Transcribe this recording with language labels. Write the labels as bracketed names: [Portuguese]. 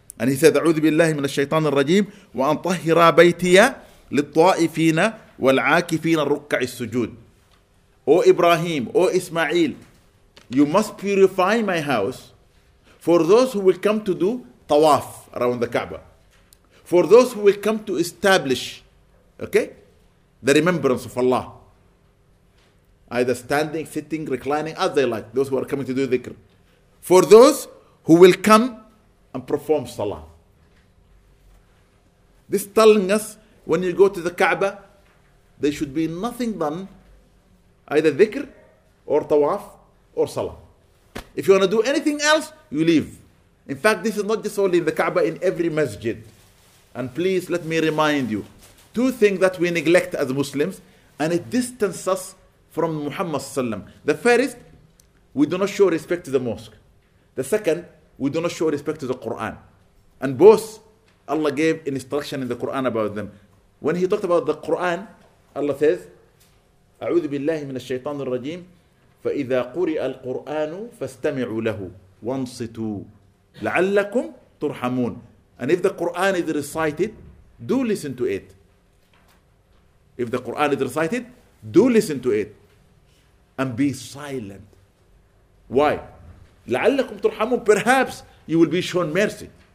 [English] And he said, [Arabic] أعوذ بالله من الشيطان الرجيم وأن طهر بيتي للطائفين والعاكفين الركع السجود. [English] O Ibrahim, O Ismail, you must purify my house for those who will come to do tawaf around the Kaaba. for those who will come to establish, okay, the remembrance of Allah. Either standing, sitting, reclining, as they like, those who are coming to do dhikr. For those who will come and perform salah. This telling us, when you go to the Kaaba, there should be nothing done, either dhikr or tawaf or salah. If you want to do anything else, you leave. In fact, this is not just only in the Kaaba, in every masjid. And please let me remind you, two things that we neglect as Muslims, and it distances us from Muhammad Sallam. The first, we do not show respect to the mosque. The second, we do not show respect to the Quran. And both, Allah gave instruction in the Quran about them. When he talked about the Quran, Allah says, [Arabic] أعوذ بالله من الشيطان الرجيم فإذا قرئ القرآن فاستمعوا له وانصتوا لعلكم ترحمون. [English] And if the Quran is recited, do listen to it. If the Quran is recited, do listen to it. And be silent. Why? [Arabic] لعلكم ترحمون. [English] Perhaps you will be shown mercy.